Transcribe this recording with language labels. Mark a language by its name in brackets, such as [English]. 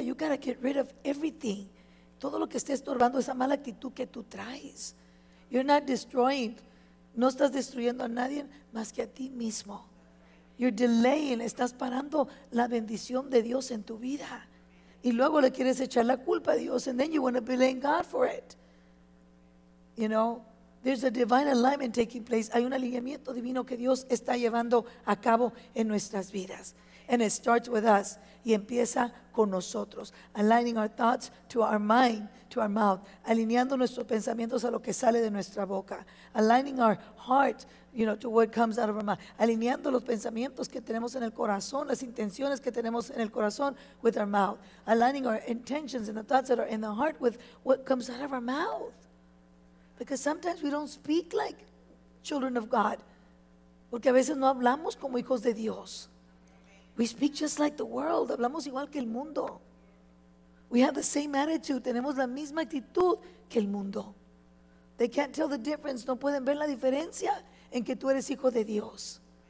[English] You gotta get rid of everything. [Spanish] Todo lo que esté estorbando esa mala actitud que tú traes. [English] You're not destroying. [Spanish] No estás destruyendo a nadie más que a ti mismo. [English] You're delaying. [Spanish] Estás parando la bendición de Dios en tu vida. Y luego le quieres echar la culpa a Dios. [English] And then you want to blame God for it. You know, there's a divine alignment taking place. [Spanish] Hay un alineamiento divino que Dios está llevando a cabo en nuestras vidas. [English] And it starts with us. [Spanish] Y empieza con nosotros. [English] Aligning our thoughts to our mind, to our mouth. [Spanish] Alineando nuestros pensamientos a lo que sale de nuestra boca. [English] Aligning our heart, you know, to what comes out of our mouth. [Spanish] Alineando los pensamientos que tenemos en el corazón, las intenciones que tenemos en el corazón, [English] with our mouth. Aligning our intentions and the thoughts that are in the heart with what comes out of our mouth. Because sometimes we don't speak like children of God. [Spanish] Porque a veces no hablamos como hijos de Dios. [English] We speak just like the world. [Spanish] Hablamos igual que el mundo. [English] We have the same attitude. [Spanish] Tenemos la misma actitud que el mundo. [English] They can't tell the difference. [Spanish] No pueden ver la diferencia en que tú eres hijo de Dios.